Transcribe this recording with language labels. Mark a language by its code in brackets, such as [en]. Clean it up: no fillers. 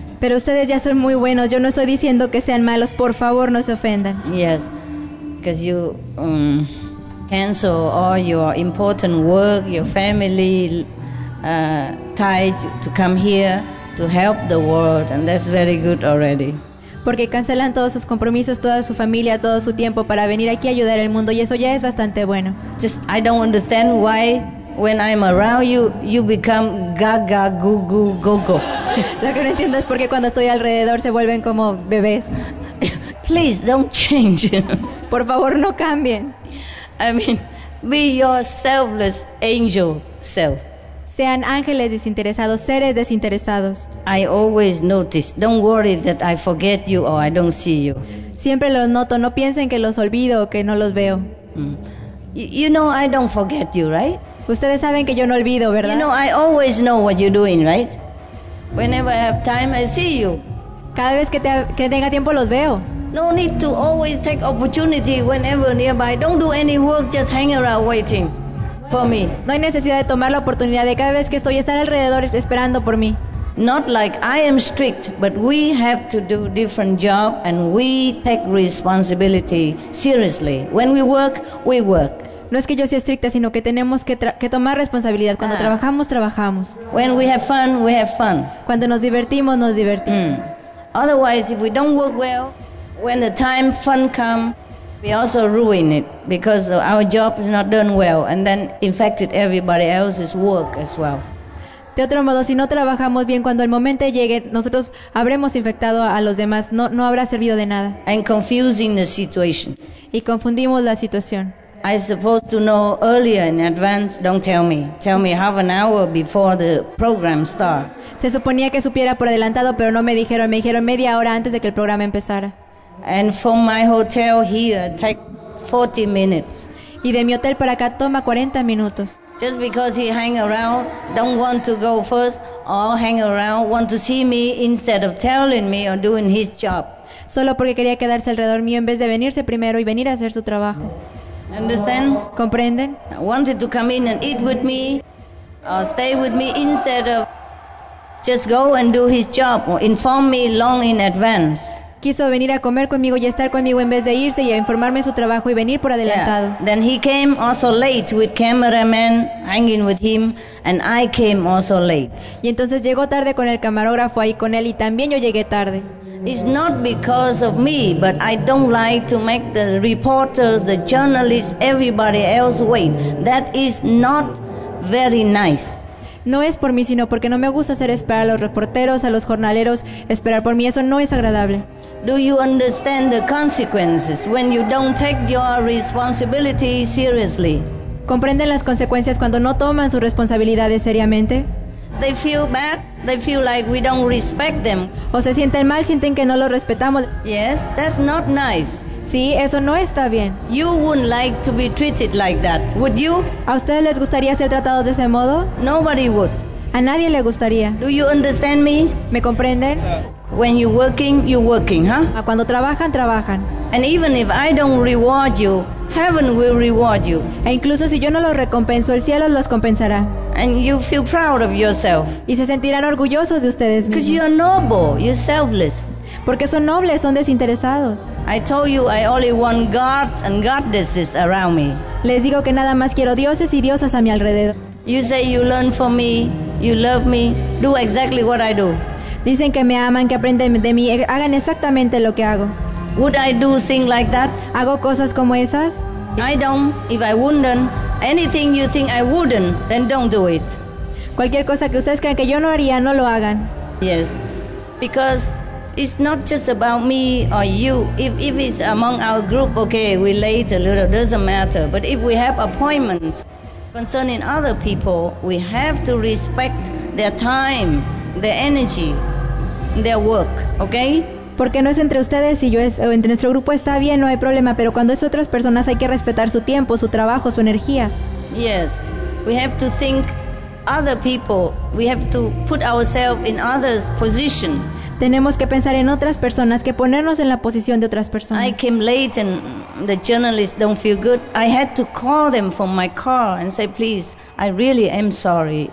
[es] Pero ustedes ya son muy buenos. Yo no estoy diciendo que sean malos. Por favor, no se ofendan. [en] Yes, because you cancel all your important work, your family ties to come here to help the world, and that's very good already. [es] Porque cancelan todos sus compromisos, toda su familia, todo su tiempo para venir aquí a ayudar al mundo, y eso ya es bastante bueno. [en] Just, I don't understand why when I'm around you become gaga, gugu, gogo. [es] Lo que no entiendo es por qué cuando estoy alrededor se vuelven como bebés. [en] Please don't change. [es] Por favor, no cambien. [en] I mean, be your selfless angel self. [es] Sean ángeles desinteresados, seres desinteresados. [en] I always notice. Don't worry that I forget you or I don't see you. [es] Siempre los noto. No piensen que los olvido o que no los veo. [en] You know I don't forget you, right? [es] Ustedes saben que yo no olvido, ¿verdad? [en] You know I always know what you're doing, right? Whenever I have time, I see you. [es] Cada vez que tenga tiempo los veo. [en] No need to always take opportunity whenever nearby. Don't do any work, just hang around waiting. For me. [es] No hay necesidad de tomar la oportunidad de cada vez que estoy estar alrededor esperando por mí. [en] Not like I am strict, but we have to do different job and we take responsibility seriously. When we work, we work. [es] No es que yo sea estricta, sino que tenemos que tomar responsabilidad. Cuando trabajamos, trabajamos. [en] When we have fun, we have fun. [es] Cuando nos divertimos, nos divertimos. [en] Otherwise, if we don't work well, when the time fun come, we also ruin it because our job is not done well and then infected everybody else's work as well. [es] De otro modo, si no trabajamos bien cuando el momento llegue, nosotros habremos infectado a los demás, no habrá servido de nada. [en] And confusing the situation. [es] Y confundimos la situación. [en] I supposed to know earlier in advance, don't tell me. Tell me half an hour before the program start. [es] Se suponía que supiera por adelantado, pero no me dijeron, me dijeron media hora antes de que el programa empezara. [en] And from my hotel here, take 40 minutes. [es] Y de mi hotel para acá toma 40 minutos. [en] Just because he hang around, don't want to go first, or hang around, want to see me instead of telling me or doing his job. [es] Solo porque quería quedarse alrededor mío en vez de venirse primero y venir a hacer su trabajo. [en] Understand? [es] Comprenden? [en] Wanted to come in and eat with me, or stay with me instead of just go and do his job, or inform me long in advance. [es] Quiso venir a comer conmigo y estar conmigo en vez de irse y a informarme su trabajo y venir por adelantado. [en] Yeah. Then he came also late with cameraman hanging with him and I came also late. [es] Y entonces llegó tarde con el camarógrafo ahí con él y también yo llegué tarde. [en] It's not because of me, but I don't like to make the reporters, the journalists, everybody else wait. That is not very nice. [es] No es por mí, sino porque no me gusta hacer esperar a los reporteros, a los jornaleros, esperar por mí. Eso no es agradable. [en] Do you understand the consequences when you don't take your responsibility seriously? [es] ¿Comprenden las consecuencias cuando no toman sus responsabilidades seriamente? [en] They feel bad. They feel like we don't respect them. [es] O se sienten mal, sienten que no los respetamos. [en] Yes, that's not nice. [es] Sí, eso no está bien. [en] You wouldn't like to be treated like that, would you? [es] ¿A ustedes les gustaría ser tratados de ese modo? [en] Nobody would. [es] A nadie le gustaría. [en] Do you understand me? [es] ¿Me comprenden? [en] When you're working, huh? [es] A cuando trabajan, trabajan. [en] And even if I don't reward you, heaven will reward you. [es] E incluso si yo no los recompenso, el cielo los compensará. [en] And you feel proud of yourself. [es] Y se sentirán orgullosos de ustedes mismos. [en] Because you're noble, you're selfless. [es] porque son nobles, son desinteresados. [en] I told you I only want gods and goddesses around me. [es] Les digo que nada más quiero dioses y diosas a mi alrededor. [en] You say you learn from me, you love me, do exactly what I do. [es] Dicen que me aman, que aprenden de mí, hagan exactamente lo que hago. [en] Would I do things like that? [es] ¿Hago cosas como esas? [en] I don't, if I wouldn't, anything you think I wouldn't, then don't do it. Cualquier cosa que ustedes crean que yo no haría, no lo hagan. Yes, because it's not just about me or you. If it's among our group, okay, we late a little, doesn't matter. But if we have appointment concerning other people, we have to respect their time, their energy, their work, okay? [es] Porque no es entre ustedes y yo, es entre nuestro grupo, está bien, no hay problema, pero cuando es otras personas hay que respetar su tiempo, su trabajo, su energía. [en] Yes, we have to think other people, we have to put ourselves in others' position. [es] Tenemos que pensar en otras personas, que ponernos en la posición de otras personas. [en] I came late and the journalists don't feel good. I had to call them from my car and say, please, I really am sorry.